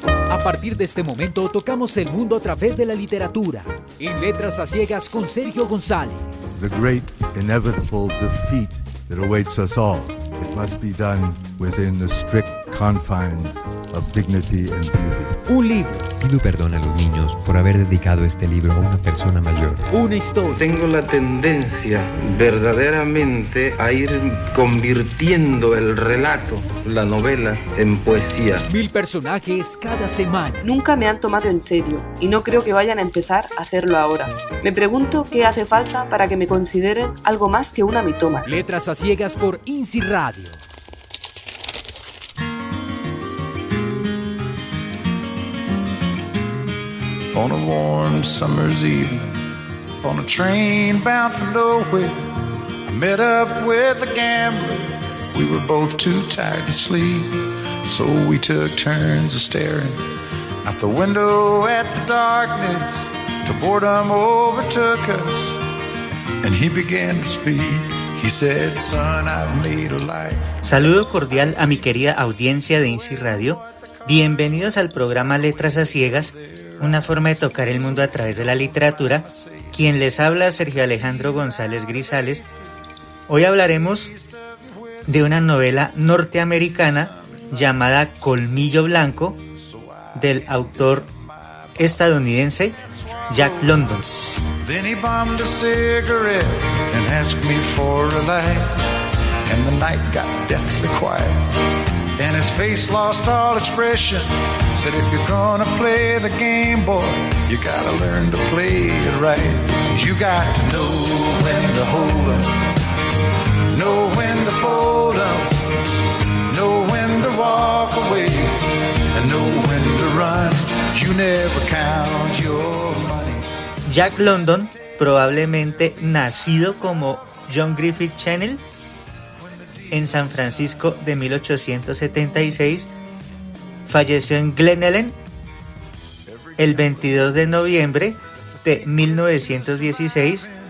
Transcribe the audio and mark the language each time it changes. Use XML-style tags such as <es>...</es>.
<es>A partir de este momento, tocamos el mundo a través de la literatura. En Letras a Ciegas con Sergio González.</es> <en>The great inevitable defeat that awaits us all. It must be done within the strict confines of dignity and beauty.</en> <es>Un libro. Pido perdón a los niños por haber dedicado este libro a una persona mayor. Una historia. Tengo la tendencia verdaderamente a ir convirtiendo el relato, la novela, en poesía. Mil personajes cada semana. Nunca me han tomado en serio y no creo que vayan a empezar a hacerlo ahora. Me pregunto qué hace falta para que me consideren algo más que una mitómana. Letras a Ciegas por Insi Radio.</es> <en>On a warm summer's evening, on a train bound for nowhere, I met up with a gambler. We were both too tired to sleep, so we took turns of staring out the window at the darkness till boredom overtook us. And he began to speak. He said, "Son, I've made a life."</en> <es>Saludo cordial a mi querida audiencia de Insi Radio. Bienvenidos al programa Letras a Ciegas, una forma de tocar el mundo a través de la literatura. Quien les habla, Sergio Alejandro González Grisales. Hoy hablaremos de una novela norteamericana llamada Colmillo Blanco, del autor estadounidense Jack London.</es> <en>Then he bombed a cigarette and asked me for a light, and the night got deathly quiet, and his face lost all expression. Said if you're gonna play the game, boy, you gotta learn to play it right. You got to know when to hold 'em, know when to fold 'em, know when to walk away, and know when to run. You never count your money.</en> <es>Jack London, probablemente nacido como John Griffith Channel en San Francisco de 1876, falleció en Glen Ellen el 22 de noviembre de 1916.</es>